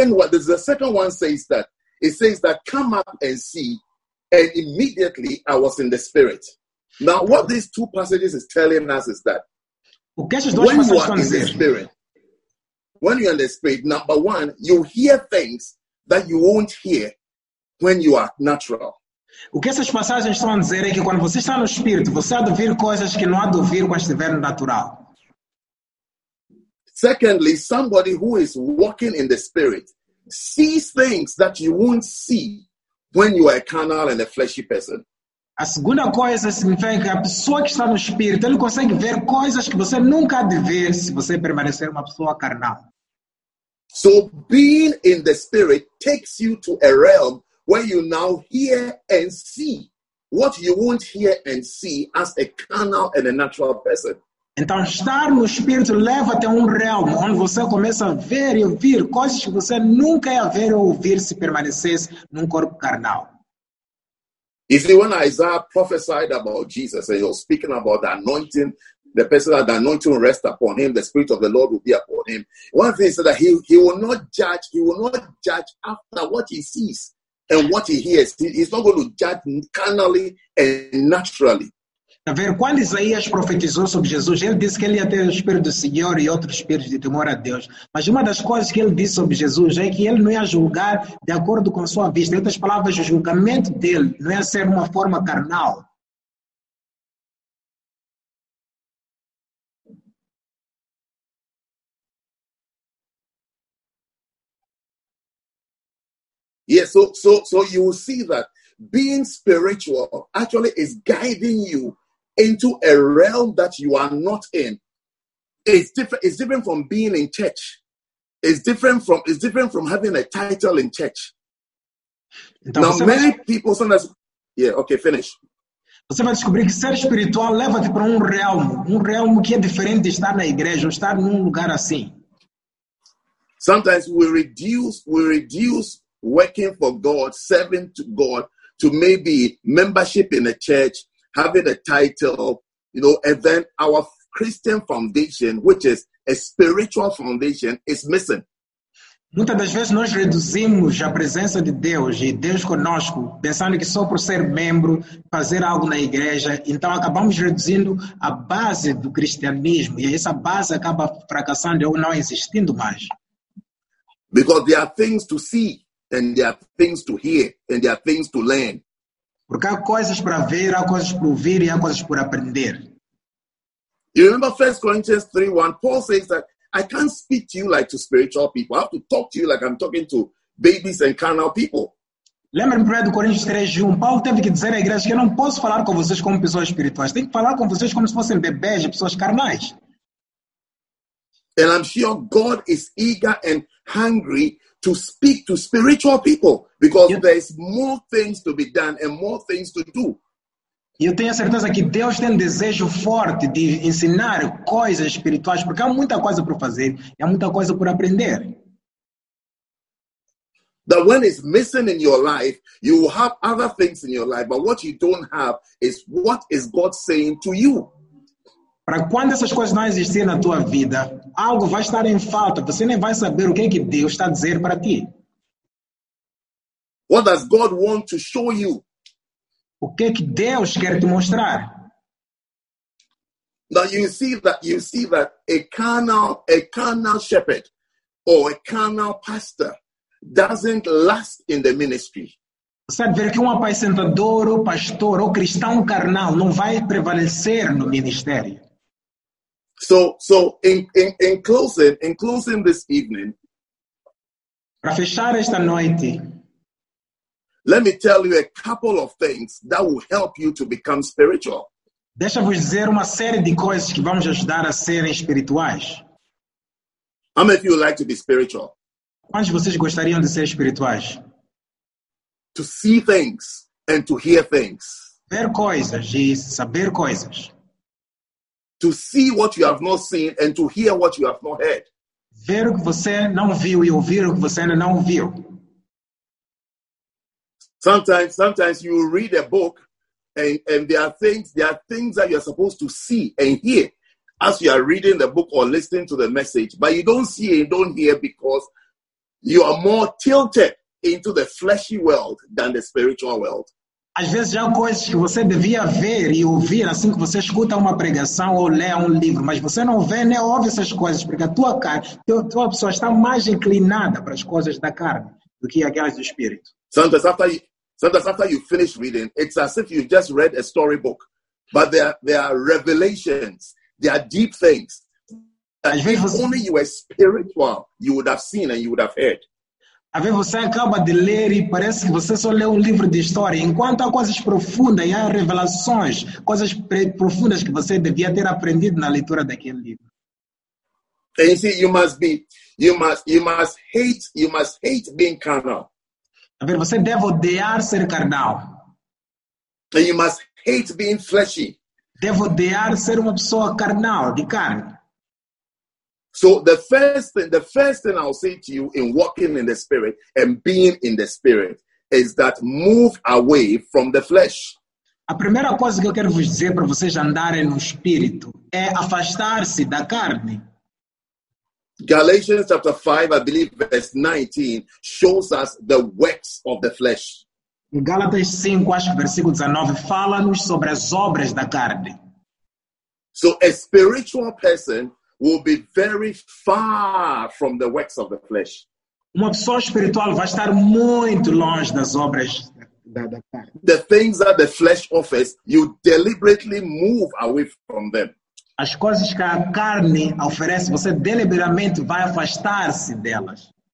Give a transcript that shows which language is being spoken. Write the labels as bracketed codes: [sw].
[en] The second one says that it says that come up and see, and immediately I was in the spirit. Now, what these two passages is telling us is that when you are in the spirit, when you are in the spirit, number one, you hear things that you won't hear when you are natural. [pt] O que essas passagens estão a dizer é que quando você está no Espírito, você há de ouvir coisas que não há de ouvir quando estiver natural. [en] Secondly, somebody who is walking in the Spirit sees things that you won't see when you are a carnal and a fleshy person. [pt] A segunda coisa significa que a pessoa que está no Espírito, ele consegue ver coisas que você nunca há de ver se você permanecer uma pessoa carnal. [en] So, being in the Spirit takes you to a realm where you now hear and see what you won't hear and see as a carnal and a natural person. [pt] Então, estar no Espírito leva até realmo onde você começa a ver e ouvir coisas que você nunca ia ver ou ouvir se permanecesse num corpo carnal. [en] You see, when Isaiah prophesied about Jesus, and he was speaking about the anointing, the person that the anointing will rest upon him, the Spirit of the Lord will be upon him. One thing is that he will not judge after what he sees and what he hears. He's not going to judge carnally and naturally. [pt] Tá vendo? Quando Isaías profetizou sobre Jesus, ele disse que ele ia ter o Espírito do Senhor e outros espíritos de temor a Deus. Mas uma das coisas que ele disse sobre Jesus é que ele não ia julgar de acordo com sua vista. Em outras palavras, o julgamento dele não ia ser uma forma carnal. [en] Yes, so you will see that being spiritual actually is guiding you into a realm that you are not in. It's different from being in church. It's different from having a title in church. [pt] Então, [en] now many people sometimes finish. [pt] Você vai descobrir que ser espiritual leva-te para um realm que é diferente de estar na igreja ou estar num lugar assim. [en] Sometimes we reduce working for God, serving to God, to maybe membership in a church, having a title, you know, and then our Christian foundation, which is a spiritual foundation, is missing. [pt] Muitas das vezes nós reduzimos a presença de Deus e Deus conosco, pensando que só por ser membro, fazer algo na igreja, então acabamos reduzindo a base do cristianismo e essa base acaba fracassando ou não existindo mais. [en] Because there are things to see, and there are things to hear, and there are things to learn. [pt] Porque há coisas para ver, há coisas para ouvir e há coisas para aprender. [en] You remember 1 Corinthians 3:1, Paul says that I can't speak to you like to spiritual people. I have to talk to you like I'm talking to babies and carnal people. [pt] Lembra-me 1 Coríntios 3:1. Paulo teve que dizer à igreja que eu não posso falar com vocês como pessoas espirituais. Tenho que falar com vocês como se fossem bebês, pessoas carnais. [en] And I'm sure God is eager and hungry to speak to spiritual people because there is more things to be done and more things to do. [pt] E eu tenho a certeza que Deus tem um desejo forte de ensinar coisas espirituais, porque há muita coisa para fazer e há muita coisa por aprender. [en] That when it's missing in your life, you will have other things in your life, but what you don't have is what is God saying to you. [pt] Para quando essas coisas não existirem na tua vida, algo vai estar em falta. Você nem vai saber o que é que Deus está a dizer para ti. [en] What does God want to show you? [pt] O que é que Deus quer te mostrar? [en] Now you see that a carnal shepherd or a carnal pastor doesn't last in the ministry. [pt] Você vê que um apacentador, ou pastor ou cristão carnal não vai prevalecer no ministério. [en] So in closing this evening. [pt] Para fechar esta noite. [en] Let me tell you a couple of things that will help you to become spiritual. [pt] Deixa-vos dizer uma série de coisas que vamos ajudar a serem espirituais. [en] How many of you like to be spiritual? [pt] Quantos de vocês gostariam de ser espirituais? [en] To see things and to hear things. [pt] Ver coisas e saber coisas. [en] To see what you have not seen and to hear what you have not heard. [pt] Ver o que você não viu e ouvir o que você ainda não ouviu. [en] Sometimes you read a book and there are things that you're supposed to see and hear as you are reading the book or listening to the message, but you don't see and don't hear because you are more tilted into the fleshy world than the spiritual world. [pt] Às vezes há coisas que você devia ver e ouvir assim que você escuta uma pregação ou lê um livro, mas você não vê nem ouve essas coisas, porque a tua carne, tua pessoa está mais inclinada para as coisas da carne do que aquelas do espírito. [en] Sometimes after you finish reading, it's as if you've just read a storybook. But there are revelations, there are deep things. If only you were spiritual, you would have seen and you would have heard. [pt] Às vezes você acaba de ler e parece que você só leu um livro de história. Enquanto há coisas profundas e há revelações, coisas profundas que você devia ter aprendido na leitura daquele livro. [en] And you see, you must hate being carnal. [pt] A ver, você deve odiar ser carnal. [en] And you must hate being fleshy. [pt] Deve odiar ser uma pessoa carnal, de carne. [en] So the first thing I'll say to you in walking in the spirit and being in the spirit is that move away from the flesh. [pt] A primeira coisa que eu quero vos dizer para vocês andarem no espírito é afastar-se da carne. [en] Galatians chapter 5, I believe verse 19, shows us the works of the flesh. [pt] Gálatas 5, acho que versículo 19, fala-nos sobre as obras da carne. [en] So a spiritual person will be very far from the works of the flesh. [pt] Uma pessoa espiritual vai estar muito longe das obras da carne. [en] The things that the flesh offers, you deliberately move away from them. [pt] As coisas que a carne oferece, você deliberadamente vai afastar-se delas.